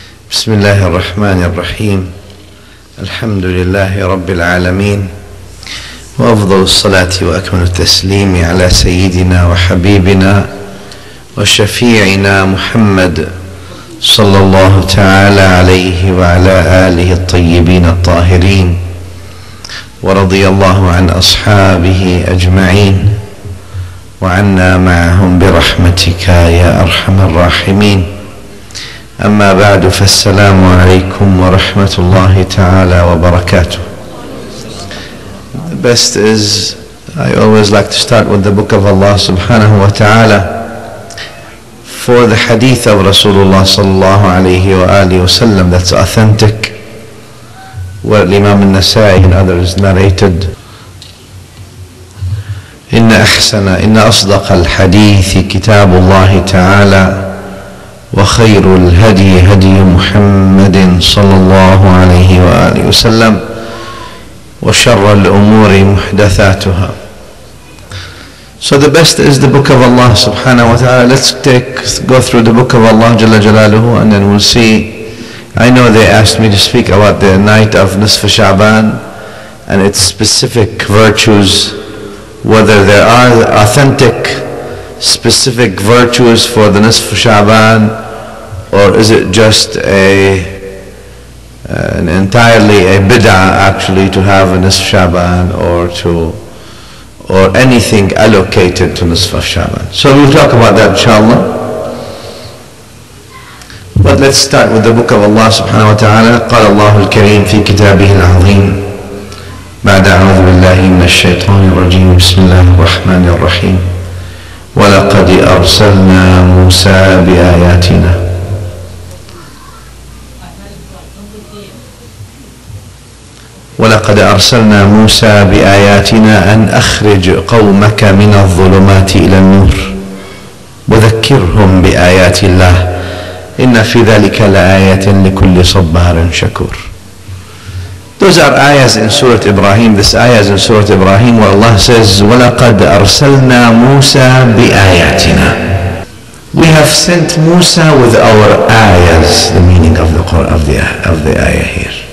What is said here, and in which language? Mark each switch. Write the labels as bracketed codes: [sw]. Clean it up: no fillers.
[ar] بسم الله الرحمن الرحيم. الحمد لله رب العالمين, وأفضل الصلاة وأكمل التسليم على سيدنا وحبيبنا وشفيعنا محمد صلى الله تعالى عليه وعلى آله الطيبين الطاهرين, ورضي الله عن أصحابه أجمعين, وعنا معهم برحمتك يا أرحم الراحمين. أما بعد, فالسلام عليكم ورحمة الله تعالى وبركاته. [en] The best is, I always like to start with the book of Allah subhanahu wa ta'ala for the hadith of Rasulullah sallallahu alayhi wa alihi wa sallam, that's authentic, where Imam al-Nasa'i and others narrated. [ar] إن أحسن إن أصدق الحديث كتاب الله تعالى وخير الهدي هدي محمد صلى الله عليه وآله وسلم وشر الأمور محدثاتها. [en] So the best is the book of Allah subhanahu wa ta'ala. Let's go through the book of Allah Jalla Jalaluhu, and then we'll see. I know they asked me to speak about the night of Nisf Sha'ban and its specific virtues, whether there are authentic specific virtues for the Nisf Sha'ban, or is it just an entirely a bid'ah actually to have a Nisf Sha'ban or anything allocated to Nisf Sha'ban. So we'll talk about that inshallah. But let's start with the book of Allah subhanahu wa ta'ala. [ar] قال الله الكريم في كتابه العظيم بعد أعوذ بالله من الشيطان الرجيم بسم الله الرحمن الرحيم ولقد أرسلنا موسى بآياتنا. ولقد أرسلنا موسى بآياتنا أن أخرج قومك من الظلمات إلى النور وذكرهم بآيات الله إن في ذلك لآية لكل صبار شكور. [en] Those are ayahs in Surah Ibrahim. This ayah is in Surah Ibrahim where Allah says, [ar] وَلَقَدْ أَرْسَلْنَا مُوسَى بِآيَاتِنَا. [en] We have sent Musa with our ayahs, the meaning of the Quran, of the ayah here.